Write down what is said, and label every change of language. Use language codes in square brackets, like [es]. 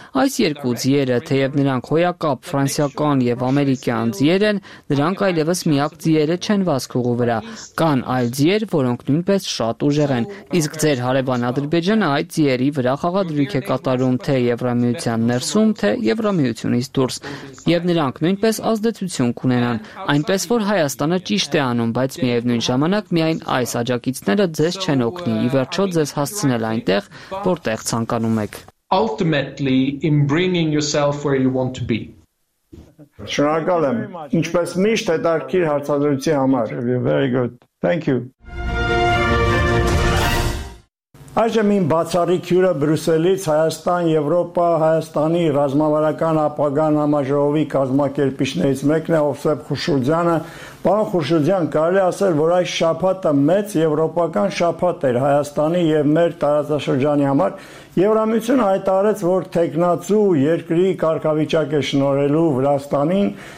[hy] այս երկու ձիերը, թեև նրանք հոյակապ ֆրանսիական եւ ամերիկյան ձիեր են, նրանք այլևս միակ ձիերը չեն վասկուղու վրա, կան այլ ձիեր, որոնք նույնպես շատ ուժեղ են, իսկ ձեր հարևան Ադրբեջանը այդ ձիերի վրա խաղադրույք է կատարում, թե Եվրամիության ներսում, թե Եվրամիությունից դուրս, եւ նրանք նույնպես ազդեցություն կունենան, այնպես որ Հայաստանը ճիշտ է անում, բայց միևնույն ժամանակ միայն այս աջակիցները ձեզ չեն օգնի ի վերջո ձեզ հասցնել այնտեղ, որտեղ անկանում եք [en] ultimately in bringing yourself where you want to be. [hy] Շնորհակալ եմ, ինչպես միշտ հետաքրքիր հարցազրույցի համար. [en] Very good. Thank you. [hy] Այժմ իմ բացառիկ հյուրը Բրյուսելից Հայաստան-Եվրոպա Հայաստանի ռազմավարական ապագան համաժողովի կազմակերպիչներից մեկն է Օֆսեփ Խուշուրջյանը։ Պարոն Խուշուրջյան, կարելի ասել, որ այս շաբաթը մեծ եվրոպական շաբաթ էր Հայաստանի եւ մեր տարածաշրջանի համար։ Եվրամիությունը հայտարարեց, որ թեկնածու երկրի կարգավիճակ է շնորհելու Վրաստանին,